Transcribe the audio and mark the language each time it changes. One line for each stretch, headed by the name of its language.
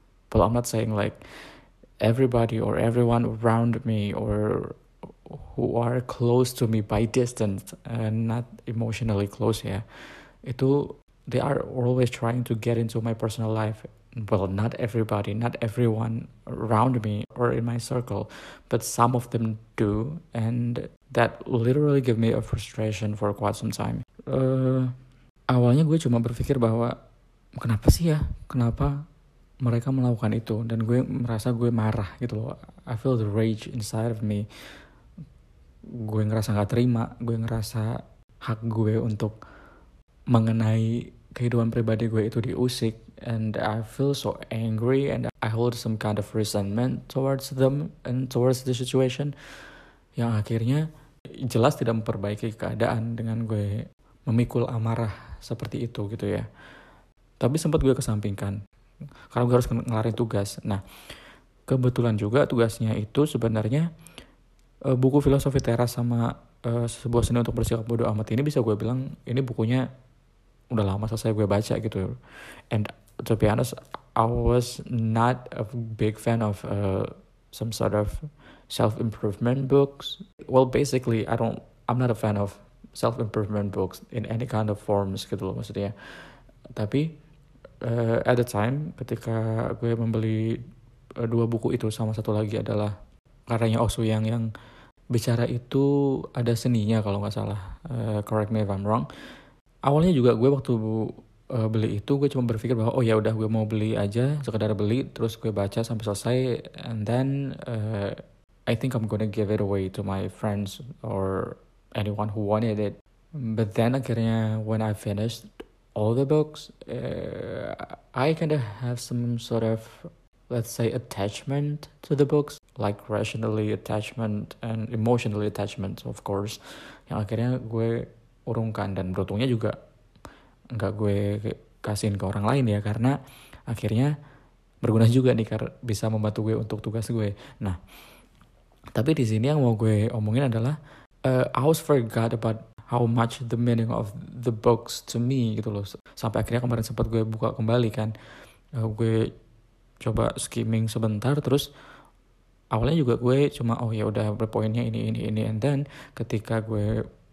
English: But I'm not saying like everybody or everyone around me or who are close to me by distance and not emotionally close, yeah. Itu, they are always trying to get into my personal life. Well, not everybody, not everyone around me or in my circle, but some of them do, and that literally give me a frustration for quite some time.
Indonesian: Awalnya gue cuma berpikir bahwa kenapa sih ya, kenapa mereka melakukan itu, dan gue merasa gue marah gitu loh.
English: I feel the rage inside of me.
Indonesian: Gue ngerasa gak terima, gue ngerasa hak gue untuk mengenai kehidupan pribadi gue itu diusik,
English: and I feel so angry, and I hold some kind of resentment towards them and towards the situation,
Indonesian: yang akhirnya jelas tidak memperbaiki keadaan dengan gue memikul amarah seperti itu gitu ya. Tapi sempat gue kesampingkan karena gue harus ngelarin tugas. Nah, kebetulan juga tugasnya itu sebenarnya buku Filosofi Teras sama Sebuah Seni Untuk Bersikap Bodoh Amat ini, bisa gue bilang ini bukunya udah lama selesai gue baca gitu.
English: And to be honest, I was not a big fan of some sort of self-improvement books. Well, basically, I'm not a fan of self-improvement books in any kind of forms
Indonesian: gitu loh maksudnya. Tapi
English: at the time,
Indonesian: ketika gue membeli dua buku itu, sama satu lagi adalah karyanya Oh Soo-young yang Bicara Itu Ada Seninya kalau gak salah.
English: Correct me if I'm wrong.
Indonesian: Awalnya juga gue waktu beli itu, gue cuma berpikir bahwa oh ya udah gue mau beli aja, sekedar beli, terus gue baca sampai selesai,
English: and then I think I'm gonna give it away to my friends or anyone who wanted it. But then akhirnya when I finished all the books, I kind of have some sort of, let's say, attachment to the books, like rationally attachment and emotionally attachment, of course.
Indonesian: Yang akhirnya gue urungkan, dan beruntungnya juga nggak gue kasihin ke orang lain ya, karena akhirnya berguna juga nih, bisa membantu gue untuk tugas gue. Nah, tapi di sini yang mau gue omongin adalah
English: I always forgot about how much the meaning of the books to me
Indonesian: gitu loh, sampai akhirnya kemarin sempat gue buka kembali kan, gue coba skimming sebentar, terus awalnya juga gue cuma oh ya udah berpoinnya ini
English: and then
Indonesian: ketika gue